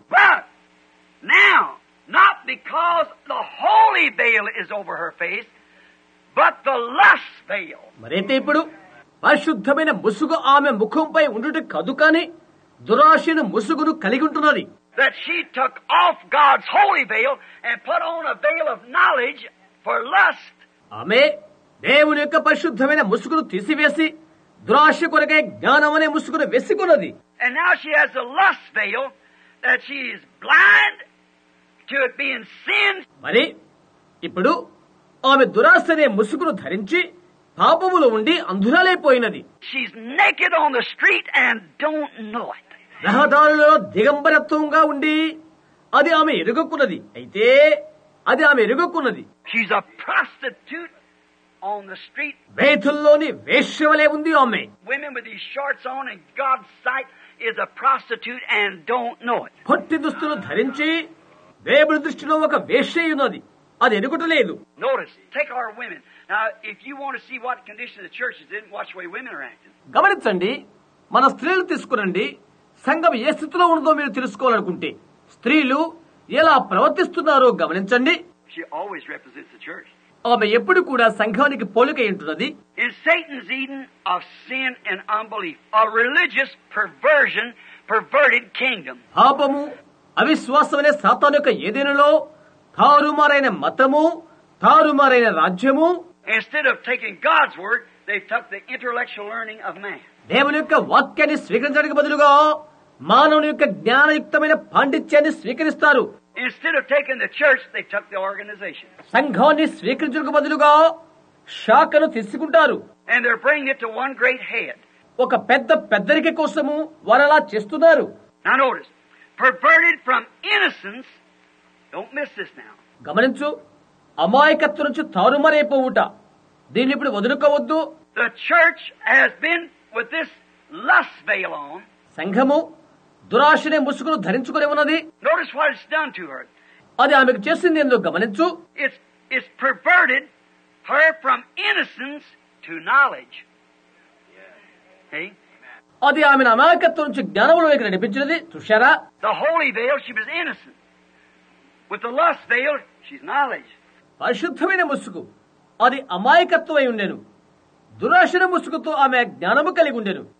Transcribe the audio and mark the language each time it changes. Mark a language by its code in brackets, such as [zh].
[en] But now, not because the holy veil is over her face, but the lust veil. [te] మరైతే ఇప్పుడు పరిశుద్ధమైన ముసుగు ఆమె ముఖంపై ఉండుట కాదు కానీ దురాశైన ముసుగును కలిగి ఉంటున్నది. [en] That she took off God's holy veil and put on a veil of knowledge. For lust. [te] ఆమె దేవుని యొక్క పరిశుద్ధమైన ముసుగును తీసివేసి దురాశ కొరకే జ్ఞానం అనే ముసుగును వేసుకున్నది. [en] And now she has a lust veil that she is blind to it being sin. [te] మరి ఇప్పుడు ఆమె దురాశ అనే ముసుగును ధరించి పాపములో ఉండి అంధురాలైపోయినది. [en] She's naked on the street and don't know it. [te] రహదారులలో దిగంబరత్వంగా ఉండి అది ఆమె ఎరుగుకున్నది. అయితే అది ఆమె ఎరుగుకున్నది. [en] She's a prostitute on the street. [te] వేధుల్లోని వేశ్యవలే ఉంది ఆమె. [en] Women with these shorts on in God's sight is a prostitute and don't know it. [te] పొట్టి దుస్తులు ధరించి దేవుని దృష్టిలో ఒక వేశ్య ఉన్నది. అది ఎరుగుటలేదు. [en] Notice, take our women. Now, if you want to see what condition the church is in, watch the way women are acting. [te] గమనించండి, మన స్త్రీలు తీసుకురండి. సంఘం ఏ స్థితిలో ఉందో మీరు తెలుసుకోవాలనుకుంటే స్త్రీలు ఎలా ప్రవర్తిస్తున్నారో గమనించండి. [en] She always represents the church. [te] ఆమె ఎప్పుడు కూడా సంఘానికి పోలికై ఉంటున్నది. [en] In Satan's Eden of sin and unbelief, a religious perversion, perverted kingdom. [te] పాపము అవిశ్వాసమనే సాతాను యొక్క ఏదేనులో తారుమారైన మతము తారుమారైన రాజ్యము. [en] Instead of taking God's word, they took the intellectual learning of man. [te] దేవుని యొక్క వాక్యాన్ని స్వీకరించడానికి బదులుగా మానవుని యొక్క జ్ఞానయుక్తమైన పాండిత్యాన్ని స్వీకరిస్తారు. [en] Instead of taking the church, they took the organization. [te] సంఘాన్ని స్వీకరించడానికి బదులుగా శాఖను తీసుకుంటారు. [en] And they're bringing it to one great head. [te] ఒక పెద్ద పెద్దరికి కోసము వారలా చేస్తున్నారు. [en] Now notice, perverted from innocence. Don't miss this now. [te] గమనించు, అమాయకత్వం నుంచి తారుమారైపోవుట దీన్ని ఇప్పుడు వదులుకోవద్దు. [en] The church has been with this lust veil on. [te] సంఘము దురాశనే ముసుగును ధరించుకుని ఉన్నది. [en] Notice what it's done to her. [te] అది ఆమెకు చేసింది ఏందో గమనించు. [en] It's perverted her from innocence to knowledge. [te] అది ఆమె అమాయకత్వం నుంచి జ్ఞానంలోకి నడిపించినది. చూశారా? [en] The holy veil, she was innocent. With the lust veil, she's knowledge. [te] పరిశుద్ధమైన ముసుగు అది అమాయకత్వమై ఉండెను. దురాశన ముసుగుతో ఆమె జ్ఞానము కలిగి ఉండెను.